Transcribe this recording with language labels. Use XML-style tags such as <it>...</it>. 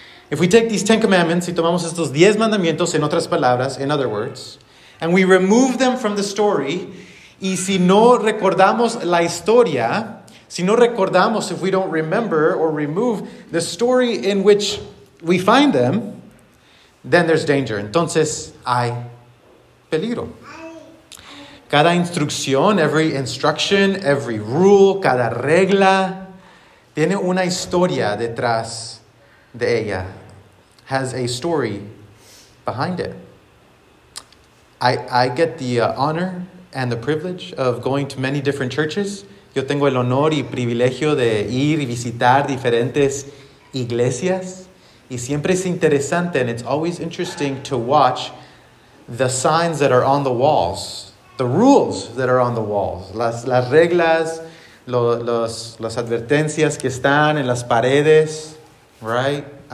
<en>If we take these 10 commandments, si tomamos estos 10 mandamientos, en otras palabras, in other words, and we remove them from the story, y si no recordamos la historia, si no recordamos, if we don't remember or remove the story in which we find them, then there's danger.</en> <es>Entonces, hay peligro. Cada instrucción, every instruction, every rule, cada regla, tiene una historia detrás de ella.</es> <en>Has a story behind it. I get the honor and the privilege of going to many different churches.</en> <es>Yo tengo el honor y privilegio de ir y visitar diferentes iglesias.</es> <en>Y siempre es interesante, and it's always interesting to watch the signs that are on the walls, the rules that are on the walls, las reglas, las advertencias que están en las paredes, right?</en>